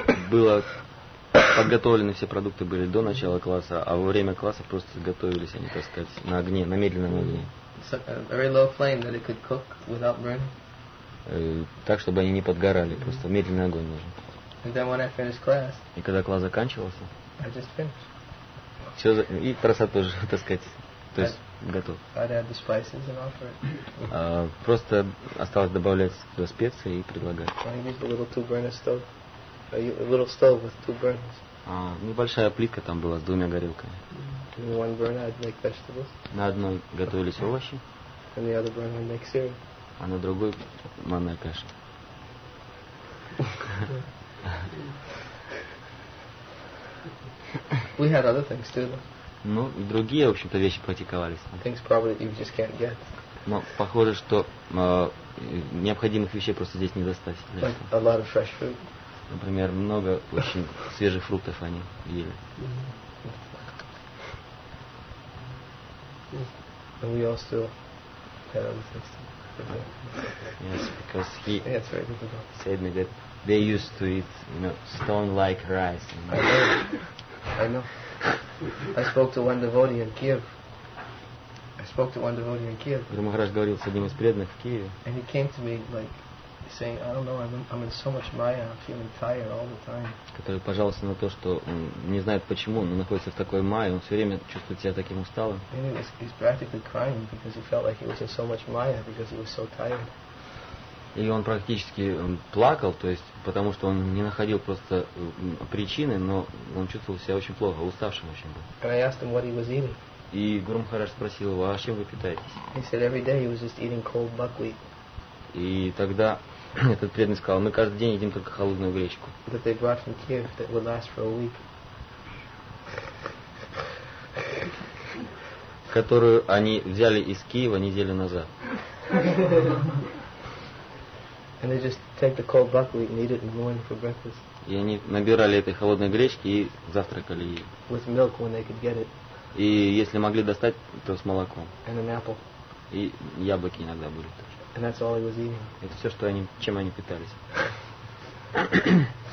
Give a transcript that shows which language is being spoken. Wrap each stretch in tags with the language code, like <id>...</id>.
<ru>Было подготовлены все продукты были до начала класса, а во время класса просто готовились они, так сказать, на огне, на медленном огне.</ru> <en>So, a very low flame that it could cook without burning.</en> <ru>Так чтобы они не подгорали, просто медленный огонь нужен.</ru> <en>And then when I finished class.</en> <ru>И когда класс заканчивался.</ru> <en>I just finished.</en> <ru>Все за... и просад тоже, так сказать. То есть готов.</ru> <en>I'd add the spices and offer it.</en> <ru>Просто осталось добавлять специи и предлагать.</ru> <en>I used a little two-burner stove. A little stove with two burners.</en> <ru>Небольшая плитка там была с двумя горелками.</ru> <en>In one burner I'd make vegetables.</en> <ru>На одной готовились овощи.</ru> <en>And the other burner I'd make cereal.</en> <ru>А на другой манная каша.</ru> <en>We had other things too.</en> <ru>Ну, и другие, в общем-то, вещи практиковались.</ru> <en>Things probably you just can't get.</en> <ru>Но похоже, что необходимых вещей просто здесь не достать.</ru> <en>Like a lot of fresh food.</en> <ru>Например, много очень свежих фруктов они ели.</ru> <en>And we all still had other things to eat. Yes, because he that's very difficult. Said me that they used to eat, you know, stone-like rice. I know. I know. I spoke to one devotee in Kiev.</en> <ru>Гуру Махарадж говорил с одним из преданных в Киеве.</ru> <en>And he came to me like saying, I don't know, I'm in so much maya, I'm feeling tired all the time.</en> <ru>Который пожаловался на то, что не знает почему, но находится в такой майе, он все время чувствует себя таким усталым.</ru> <en>And he was practically crying because he felt like he was in so much maya because he was so tired.</en> <ru>И он практически плакал, то есть, потому что он не находил просто причины, но он чувствовал себя очень плохо, уставшим очень был.</ru> <en>And I asked him what he was eating.</en> <ru>И Гуру Махарадж спросил его, а чем вы питаетесь?</ru> <en>He said every day he was just eating cold buckwheat.</en> <ru>И тогда этот преданный сказал, мы каждый день едим только холодную гречку.</ru> <en>That they brought from Kiev that would last for a week.</en> <ru>Которую они взяли из Киева неделю назад.</ru> <en>And they just take the cold buckwheat and eat it in the morning for breakfast.</en> <ru>И они набирали этой холодной гречки и завтракали ей.</ru> <en>With milk when they could get it.</en> <ru>И если могли достать, то с молоком.</ru> <en>And an apple.</en> <ru>И яблоки иногда были тоже.</ru> <en>And that's all he was eating.</en> <ru>Это все, что они, чем они питались.</ru>